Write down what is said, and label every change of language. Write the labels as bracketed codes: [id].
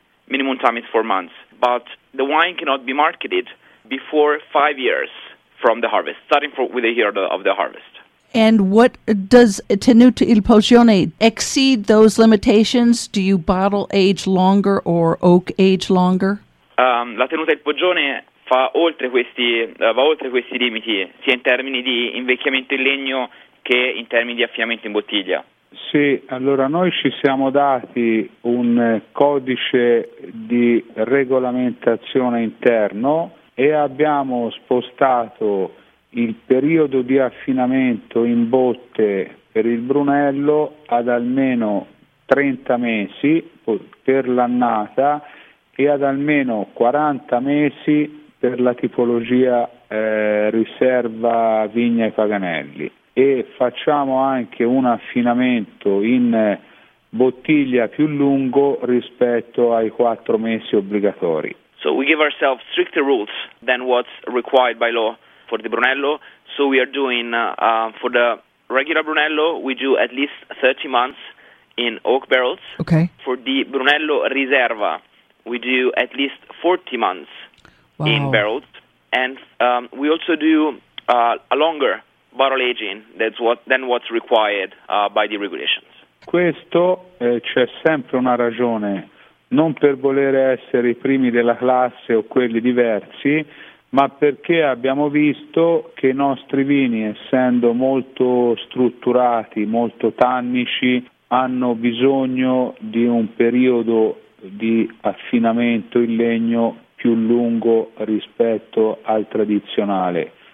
[en] Minimum time is 4 months. But the wine cannot be marketed before 5 years. From the harvest, starting with the year of the harvest. And what does Tenuta Il Poggione exceed those limitations? Do you bottle age longer or oak age longer? [it] La Tenuta Il Poggione va oltre questi limiti, sia in termini di invecchiamento in legno che in termini di affinamento in bottiglia. Sì, allora noi ci siamo dati un codice di regolamentazione interno e abbiamo spostato il periodo di affinamento in botte per il Brunello ad almeno 30 mesi per l'annata e ad almeno 40 mesi per la tipologia riserva Vigna e Paganelli, e facciamo anche un affinamento in bottiglia più lungo rispetto ai 4 mesi obbligatori. [en] So we give ourselves stricter rules than what's required by law for the Brunello. So we are doing, for the regular Brunello, we do at least 30 months in oak barrels. Okay. For the Brunello Riserva, we do at least 40 months. Wow. In barrels. And we also do a longer bottle aging than what's required by the regulations. [it] Questo c'è sempre una ragione. Non per volere essere i primi della classe o quelli diversi, ma perché abbiamo visto che i nostri vini, essendo molto strutturati, molto tannici, hanno bisogno di un periodo di affinamento in legno più lungo rispetto al tradizionale.